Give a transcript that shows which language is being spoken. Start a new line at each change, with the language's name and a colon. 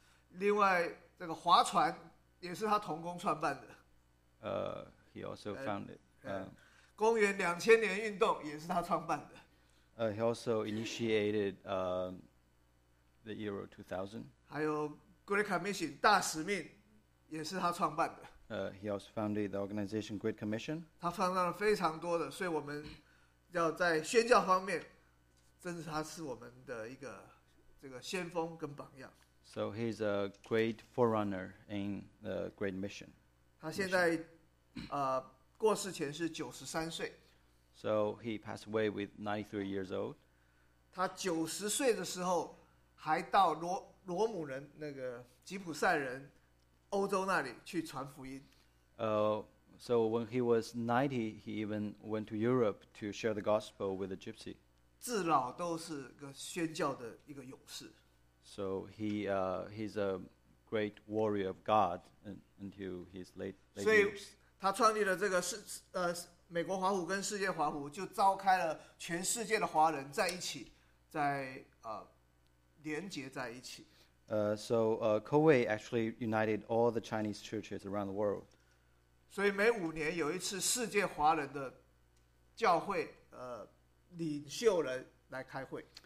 Chinese: 另外，这个划船也是他同工创办的。
English: He also founded
Chinese: 公元2000年运动也是他创办的。
English: He also initiated the Euro 2000。
Chinese: 还有 Great Commission 大使命也是他创办的。
English: He also founded the organization Great Commission.
Chinese: 他创造了非常多的，所以我们要在宣教方面，真是他是我们的一个这个先锋跟榜样。
English: So he's a great forerunner in the Great Mission.
Chinese: 他现在过世前是93岁。
English: So he passed away with 93 years old.
Chinese: 他90岁的时候还到罗姆人那个吉普赛人欧洲那里去传福音。
English: So when he was 90, he even went to Europe to share the gospel with a gypsy.
Chinese: 自老都是个宣教的一个勇士。
English: So he's a great warrior of God until his late years.
Chinese: 所以他创立了这个美国华府跟世界华府，就召开了全世界的华人在一起，在连结在一起。
English: So Coway actually united all the Chinese churches around the world.
Chinese: 所以每五年有一次世界华人的教会领袖人来开会。